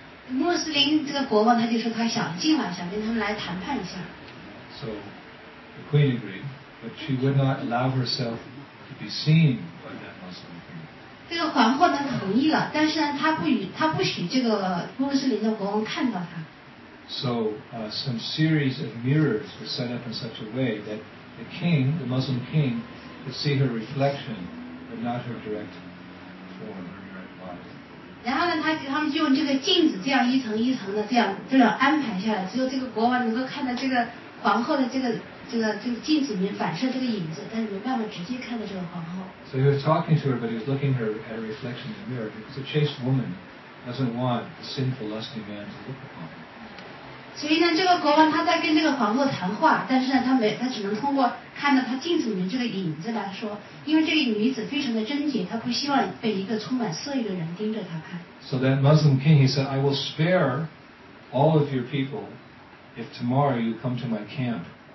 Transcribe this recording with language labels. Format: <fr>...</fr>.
<zh>穆斯林这个国王他就说他想今晚想跟他们来谈判一下。</zh> <en>So the queen agreed, but she would not allow herself to be seen by that Muslim king.</en> <zh>这个皇后她同意了，但是呢，她不许这个穆斯林的国王看到她。</zh> <en>So, some series of mirrors were set up in such a way that the king, the Muslim king, could see her reflection, but not her direct form, her direct body.</en> <zh>然后呢，他们就用这个镜子这样一层一层的这样安排下来，只有这个国王能够看到这个皇后的这个镜子里面反射这个影子，但是没办法直接看到这个皇后。</zh> <en>So he was talking to her, but he was looking her at a reflection in the mirror because a chaste woman doesn't want a sinful, lusty man to look upon.</en> <zh>所以呢，这个国王他在跟这个皇后谈话，但是呢，他只能通过看到他镜子里面这个影子来说，因为这个女子非常的贞洁，他不希望被一个充满色欲的人盯着他看。</zh> <en>So that Muslim king, he said, I will spare all of your people if tomorrow you come to my camp.</en>